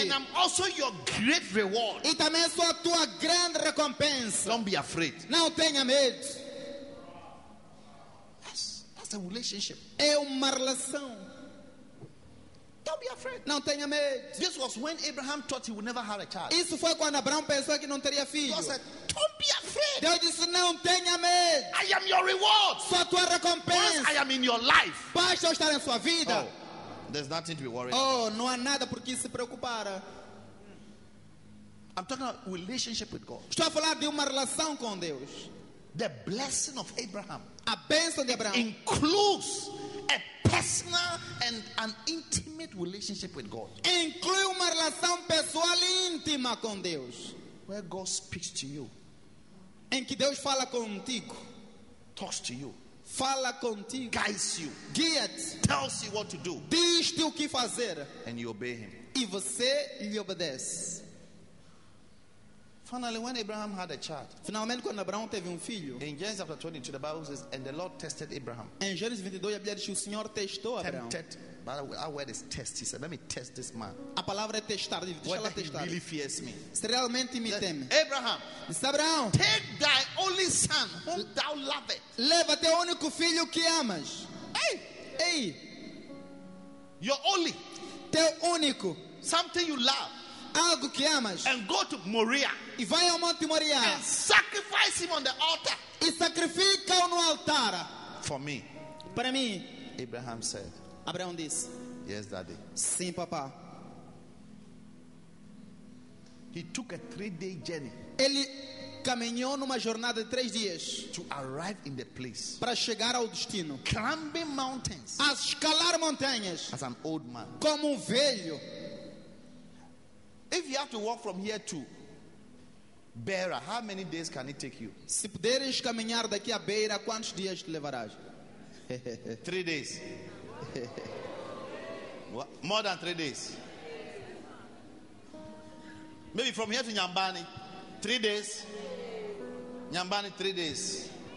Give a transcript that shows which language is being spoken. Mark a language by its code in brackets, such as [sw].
[en] And I'm also your great reward. [pt] E também sou a tua grande recompensa. [en] Don't be afraid. [pt] Não tenha medo. [en] A relationship. [pt] É uma relação. [en] Don't be afraid. [pt] Não tenha medo. [en] This was when Abraham thought he would never have a child. [pt] Isso foi quando Abraão pensou que não teria filho. [en] God said, "Don't be afraid." [pt] Deus disse, não tenha medo. [en] I am your reward. [pt] Sou a tua recompensa. [en] Once I am in your life. [pt] Basta eu estar em sua vida. [en] Oh, there's nothing to be worried. [pt] Oh, não há nada por que se preocupar. [en] I'm talking about relationship with God. [pt] Estou a falar de uma relação com Deus. [en] The blessing of Abraham, [pt] a bênção de Abraão, [en] includes a personal and an intimate relationship with God. [pt] Inclui uma relação pessoal e íntima com Deus. [en] Where God speaks to you, [pt] em que Deus fala contigo, [en] talks to you, [pt] fala contigo, [en] guides you, [pt] guia-te, [en] tells you what to do, [pt] diz-te o que fazer, [en] and you obey Him. [pt] E você lhe obedece. [en] Finally, when Abraham had a child. [pt] Finalmente, quando Abraão teve filho. [en] In Genesis chapter 22, the Bible says, and the Lord tested Abraham. [pt] Em Gênesis 22, a Bíblia diz que o Senhor testou Abraão. [en] Tempted, but I wear this test. He said, let me test this man. [pt] A palavra é testar, deixa ela testar. [en] Whether he really fears me. [pt] Se realmente me teme. [en] Abraham. [pt] Disse Abraão. [en] Take thy only son, whom thou lovest. [pt] Leva teu único filho que amas. Ei! Ei! [en] Your only. [pt] Teu único. [en] Something you love. [pt] Algo que amas. [en] And go to Moria. [pt] E vai ao Monte Moria. [en] And sacrifice him on the altar. [pt] E sacrifica-o no altar. [en] For me. [pt] Para mim. [en] Abraham said. [pt] Abraão disse. [en] Yes, daddy. [pt] Sim, papá. [en] He took a 3-day journey. [pt] Ele caminhou numa jornada de 3 dias. [en] To arrive in the place. [pt] Para chegar ao destino. [en] Climbing mountains. [pt] A escalar montanhas. [en] As an old man. [pt] Como velho. [en] If you have to walk from here to Beira, how many days can it take you? [pt] Se puderes caminhar daqui a Beira, quantos dias te levarás? [en] 3 days. What? More than 3 days. Maybe from here to Nyambani, 3 days. Nyambani, 3 days.